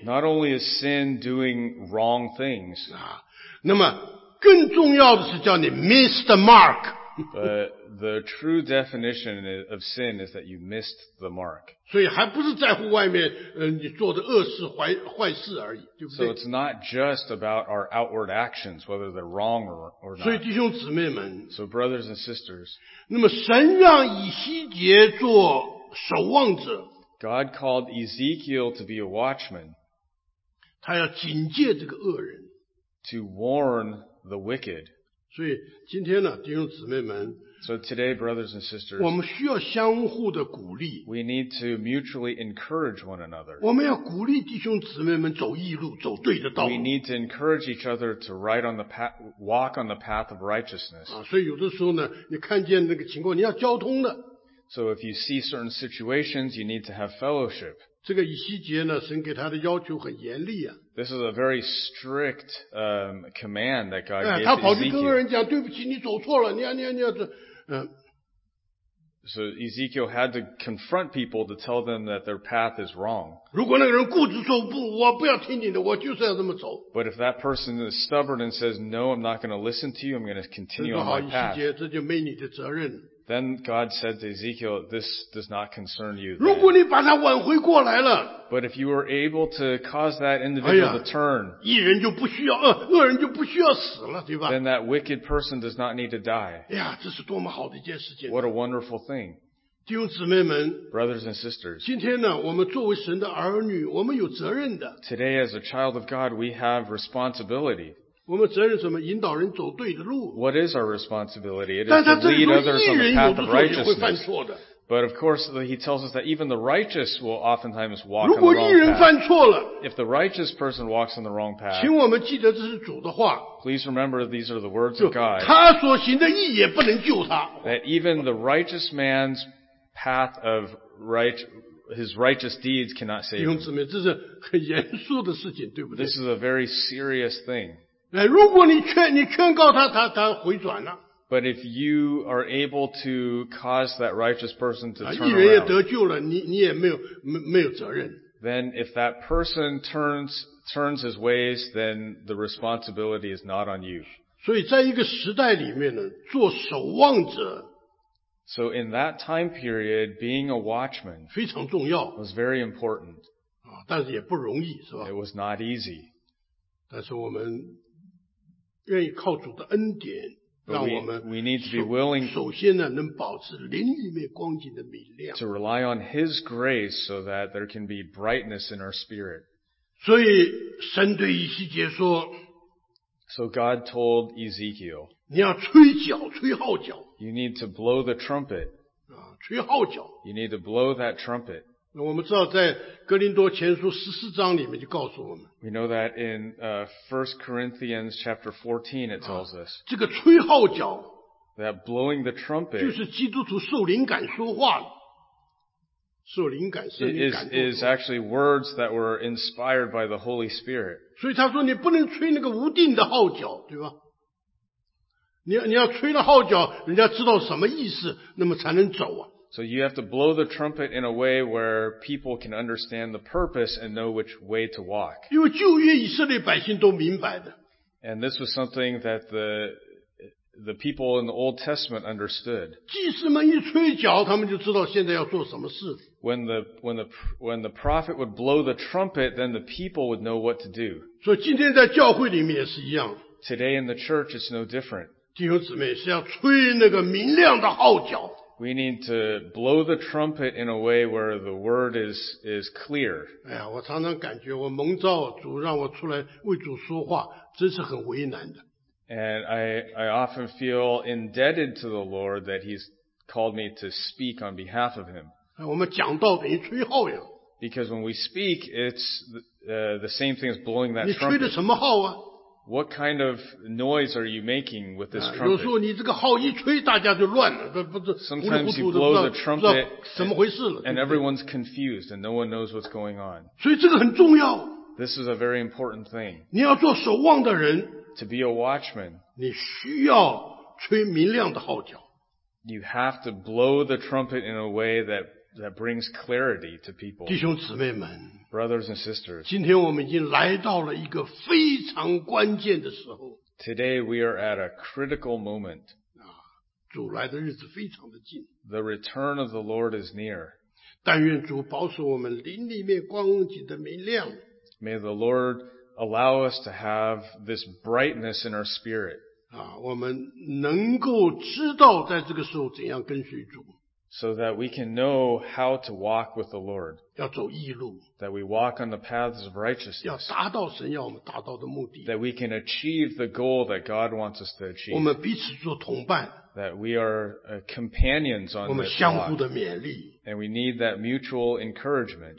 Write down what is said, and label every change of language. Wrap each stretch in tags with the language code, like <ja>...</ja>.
<en>Not only is sin doing wrong things.</en> <zh>那么更重要的是叫你</zh> <en>miss the mark。 The true definition of sin is that you missed the mark.</en> <zh>所以还不是在乎外面你做的恶事坏事而已，对不对？</zh> <en>So it's not just about our outward actions, whether they're wrong or not.</en> <zh>所以弟兄姊妹们，</zh> <en>So brothers and sisters,</en> <zh>那么神让以西结做守望者，</zh> <en>God called Ezekiel to be a watchman,</en> <zh>他要警戒这个恶人，</zh> <en>to warn the wicked.</en> <zh>所以今天呢，弟兄姊妹们，</zh> <en>So today, brothers and sisters,</en> <zh>我们需要相互的鼓励。</zh> <en>We need to mutually encourage one another.</en> <zh>我们要鼓励弟兄姊妹们走义路，走对的道路。</zh> <en>We need to encourage each other to ride on the path, walk on the path of righteousness.</en> <zh>啊，所以有的时候呢，你看见那个情况，你要交通的。</zh> <en>So if you see certain situations, you need to have fellowship.</en> <zh>这个以西结呢，神给他的要求很严厉啊。</zh> <en>This is a very strict, command that God gave</en> <zh>Ezekiel. 他跑去跟人讲，对不起，你走错了，你要这。</zh> <en>So Ezekiel had to confront people to tell them that their path is wrong.</en> <zh>如果那个人固执说不，我不要听你的，我就是要这么走。</zh> <en>But if that person is stubborn and says, no, I'm not going to listen to you, I'm going to continue on my path.</en> <zh>好，以西结，这就没你的责任。</zh> <en>Then God said to Ezekiel, this does not concern you.</en> <zh>如果你把他挽回过来了。</zh> <en>But if you were able to cause that individual to turn,</en> <zh>义人就不需要，恶人就不需要死了，对吧？</zh> <en>Then that wicked person does not need to die.</en> <zh>哎呀，这是多么好的一件事情。</zh> <en>What a wonderful thing.</en> <zh>弟兄姊妹们，</zh> <en>Brothers and sisters,</en> <zh>今天呢，我们作为神的儿女，我们有责任的。</zh> <en>Today as a child of God, we have responsibility.</en> <zh>我们责任什么？引导人走对的路。</zh> <en>What is our responsibility? It is to lead others on the path of righteousness.</en> <zh>会犯错的。</zh> <en>But of course, he tells us that even the righteous will oftentimes walk on the wrong path.</en> <zh>如果义人犯错了，</zh> <en>if the righteous person walks on the wrong path,</en> <zh>请我们记得这是主的话。</zh> <en>Please remember these are the words of God.</en> <zh>他所行的义也不能救他。</zh> <en>That even the righteous man's path of his righteous deeds cannot save him.</en> <zh>弟兄姊妹，这是很严肃的事情，对不对？</zh> <en>This is a very serious thing.</en> <zh>如果你劝告他，他回转了。</zh> <en>But if you are able to cause that righteous person to turn around,</en> <zh>义人也得救了，你也没有责任。</zh> <en>Then if that person turns his ways, then the responsibility is not on you.</en> <zh>所以在一个时代里面呢，做守望者。</zh> <en>So in that time period, being a watchman</en> <zh>非常重要</zh> <en>was very important.</en> <zh>但是也不容易，是吧？</zh> <en>It was not easy.</en> <zh>但是我们愿意靠主的恩典，让我们</zh> <en>we need to be willing,</en> <zh>首先呢，能保持灵里面光景的明亮。</zh> <en>To rely on His grace so that there can be brightness in our spirit.</en> <zh>所以神对以西结说，</zh> <en>So God told Ezekiel,</en> <zh>你要吹角，吹号角。</zh> <en>You need to blow the trumpet.</en> <zh>吹号角。</zh> <en>You need to blow that trumpet.</en> <zh>那我们知道在哥林多前书14章里面就告诉我们。</zh> <en>We know that in 1 Corinthians chapter 14 it tells us.</en> <zh>这个吹号角。</zh> <en>That blowing the trumpet.</en> <zh>就是基督徒受灵感说话了。受灵感圣灵感动。</zh> <en>It is actually words that were inspired by the Holy Spirit.</en> <zh>所以他说你不能吹那个无定的号角，对吧？你要吹了号角，人家知道什么意思，那么才能走啊。</zh> <en>So you have to blow the trumpet in a way where people can understand the purpose and know which way to walk.</en> <zh>因为旧约以色列百姓都明白的。</zh> <en>And this was something that the people in the Old Testament understood.</en> <zh>祭司们一吹角，他们就知道现在要做什么事。</zh> <en>When the prophet would blow the trumpet, then the people would know what to do.</en> <zh>所以今天在教会里面也是一样。</zh> <en>Today in the church, it's no different.</en> <zh>弟兄姊妹是要吹那个明亮的号角。</zh> <en>We need to blow the trumpet in a way where the word is clear.</en> <zh>哎呀，我常常感觉我蒙召主让我出来为主说话，真是很为难的。</zh> <en>And I often feel indebted to the Lord that He's called me to speak on behalf of Him.</en> <zh>我们讲道等于吹号呀。</zh> <en>Because when we speak, it's the same thing as blowing that trumpet.</en> <zh>你吹的什么号啊？</zh> <en>What kind of noise are you making with this trumpet?</en> <zh>有时候你这个号一吹，大家就乱了，不是</zh> <en>Sometimes you blow the trumpet,</en> <zh>不知道什么回事了。</zh> <en>And everyone's confused, and no one knows what's going on.</en> <zh>所以这个很重要。</zh> <en>This is a very important thing.</en> <zh>你要做守望的人。</zh> <en>To be a watchman.</en> <zh>你需要吹明亮的号角。</zh> <en>You have to blow the trumpet in a way that brings clarity to people.</en> <zh>弟兄姊妹们。</zh> <en>Brothers and sisters,</en> <zh>今天我们已经来到了一个非常关键的时候。</zh> <en>Today we are at a critical moment.</en> <zh>啊, 主来的日子非常的近。</zh> <en>The return of the Lord is near.</en> <zh>但愿主保守我们灵里面光景的明亮。</zh> <en>May the Lord allow us to have this brightness in our spirit.</en> <zh>啊, 我们能够知道在这个时候怎样跟随主。</zh> <en>So that we can know how to walk with the Lord.</en> <zh>要走义路,</zh> <en>that we walk on the paths of righteousness.</en> <zh>要达到神要我们达到的目的,</zh> <en>that we can achieve the goal that God wants us to achieve.</en> <zh>我们彼此做同伴,</zh> <en>that we are companions on this path. And we need that mutual encouragement.</en>